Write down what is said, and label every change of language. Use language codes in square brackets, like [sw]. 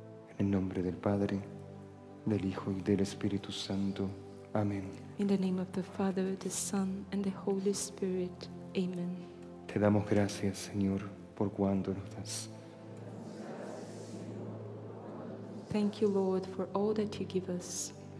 [es] En el nombre del Padre, del Hijo y del Espíritu Santo. Amén. [en] In the name of the Father, the Son, and the Holy Spirit. Amen. [es] Te damos gracias, Señor, por cuanto nos das. [en] Thank you, Lord, for all that you give us.